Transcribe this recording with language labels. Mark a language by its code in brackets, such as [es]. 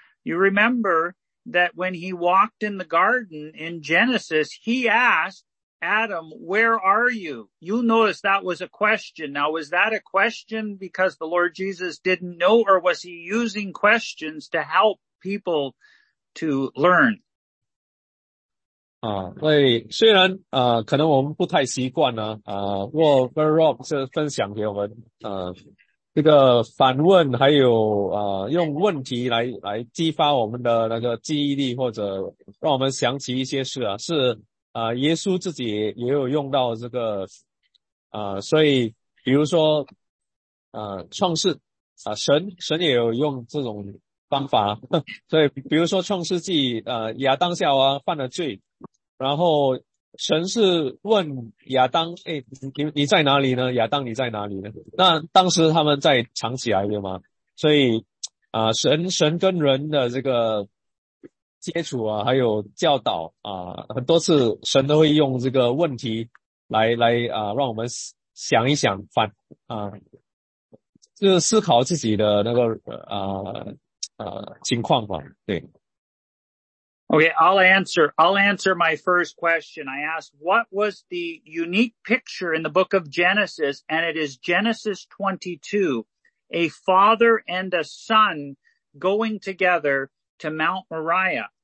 [en] You remember that when he walked in the garden in Genesis, he asked, Adam, where are you? You notice that was a question. Now, was that a question because the Lord Jesus didn't know, or was he using questions to help people to learn? [zh] 对，虽然可能我们不太习惯呢，不过 Ben Rob 是分享给我们，这个反问还有用问题来激发我们的那个记忆力，或者让我们想起一些事啊，是。耶稣自己也有用到这个所以比如说创世神也有用这种方法。所以比如说创世纪亚当夏娃犯了罪，然后神是问亚当，你在哪里呢？亚当你在哪里呢？那当时他们在藏起来的嘛，所以神跟人的这个接触啊，还有教导啊，很多次神都会用这个问题来让我们想一想，就是思考自己的那个情况吧，对。 [en] Okay, I'll answer my first question. I asked, what was the unique picture in the book of Genesis? And it is Genesis 22, a father and a son going together to Mount Moriah.